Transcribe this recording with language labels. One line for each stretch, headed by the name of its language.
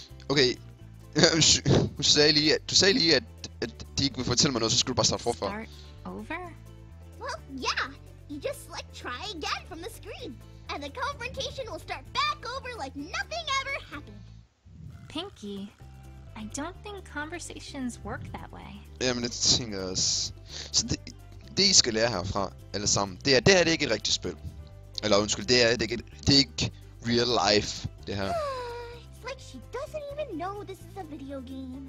Danish: Okay, du sagde lige, at de ikke vil fortælle mig noget, så skulle du bare starte forfra.
English: Start over? Well, yeah, you just select try again from the screen. And the confrontation will start back over like nothing ever happened. Pinky, I don't think conversations work that way.
Danish: Jamen, det tænker jeg også. Så det I skal lære herfra, alle sammen, det her det er ikke et rigtigt spil. Eller undskyld, det er ikke
English: real life,
Danish: det her.
English: It's like she doesn't even know this is a video game.